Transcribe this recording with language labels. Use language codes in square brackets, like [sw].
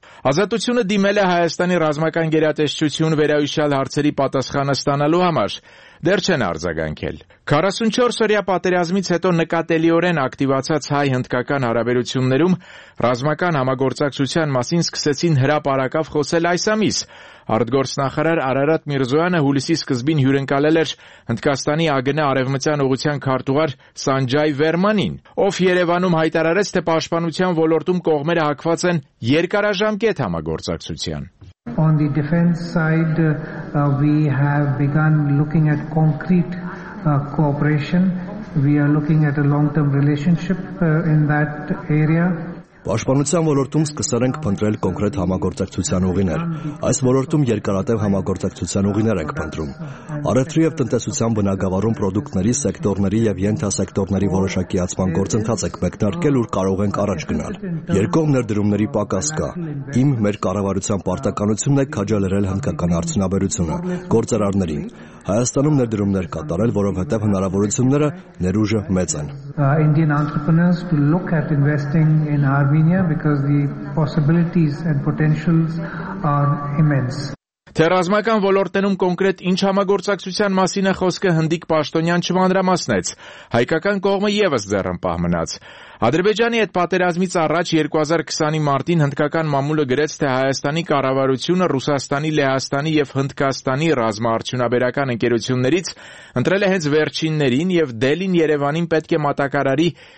[hy] Ազատությունը դիմել է Հայաստանի ռազմական գերատեսչություն վերահիշյալ հարցերի պատասխանը ստանալու համար, դեռ չեն արձագանքել։ 44-օրյա պատերազմից հետո նկատելիորեն ակտիվացած հայ-հնդկական հարաբերություններում ռազմական համագործակցության մասին սկսեցին հրապարակավ խոսել այս ամիս։ Արտգործնախարար Արարատ Միրզոյանը հուլիսի սկզբին հյուրընկալել էր Հնդկաստանի ԱԳՆ արևմտյան ուղղության քարտուղար Սանջայ Վերմանին, ով Երևանում հայտարարեց, թե պաշտպանության ոլորտում կողմերը հակված են երկարաժամկետ համագործակցության։ [en] On the defense side, we have begun looking at concrete cooperation. We are looking at a long-term relationship in that area. [hy] Պաշտպանության ոլորտում սկսել ենք փնտրել կոնկրետ համագործակցության ուղիներ։ Այս ոլորտում երկարատև համագործակցության ուղիներ ենք փնտրում։ Առևտրի և տնտեսության բնագավառում պրոդուկտների, սեկտորների և ենթասեկտորների որոշակի ածման գործընթաց եք մեկնարկել, որ կարող ենք առաջ գնալ։ Երկող ներդրումների պակաս կա։ Իմ մեր կառավարության պարտականությունն է քաջալերել հնդկական արդյունաբերությունը գործարարներին։ Հայաստանում ներդրումներ կատարել, որովհետև հնարավորությունները ներուժը մեծ են։ [en] Indian entrepreneurs to look at investing in Armenia because the possibilities and potentials are immense. [hy] Թերազմական ոլորտներում կոնկրետ ինչ համագործակցության մասին է խոսքը հնդիկ պաշտոնյան չմանրամասնեց։ Հայկական կողմը ևս ձեռն պահ մնաց։ Ադրբեջանի այդ պատերազմից առաջ 2020-ի մարտին հնդկական մամուլը գրեց, թե Հայաստանի կառավարությունը Ռուսաստանի, Լեհաստանի և Հնդկաստանի ռազմաարդյունաբերական ընկերություններից ընտրել է հենց վերջիններին և Դելին Երևանին պետք է մատակարարի